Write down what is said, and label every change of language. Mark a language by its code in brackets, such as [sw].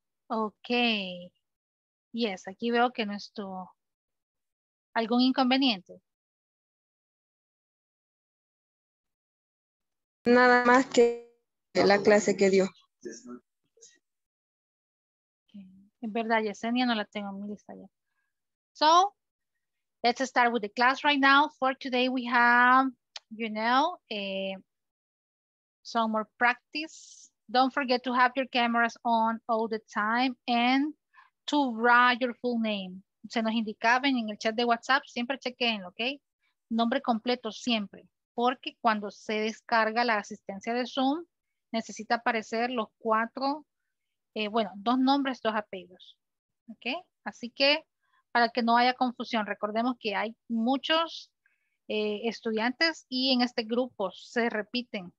[es] Ok. Yes, aquí veo que no estuvo. ¿Algún inconveniente? Nada más que la clase que dio. En verdad, Yesenia, no la tengo en mi lista ya. [en] So, let's start with the class right now. For today, we have, you know, some more practice. Don't forget to have your cameras on all the time and to write your full name. [es] Se nos indicaba en el chat de WhatsApp, siempre chequenlo, ¿ok? Nombre completo siempre, porque cuando se descarga la asistencia de Zoom, necesita aparecer los cuatro, bueno, dos nombres, dos apellidos, ¿ok? Así que, para que no haya confusión, recordemos que hay muchos estudiantes y en este grupo se repiten.